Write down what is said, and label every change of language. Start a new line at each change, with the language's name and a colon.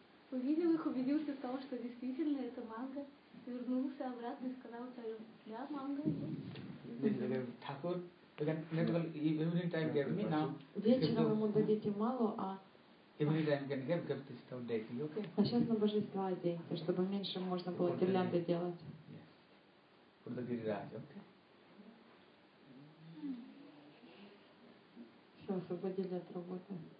Russian: Увидел их, убедился в том, что действительно это манго. И вернулся обратно и сказал царю, да, манго. Вечером ему дадите мало, а...
English: Every time can give, give this stuff daily, okay?
Russian: А сейчас на божество оденьте, чтобы меньше можно было гирлянды делать.
English: For the Giriraj, okay?
Russian: Все, освободили от работы.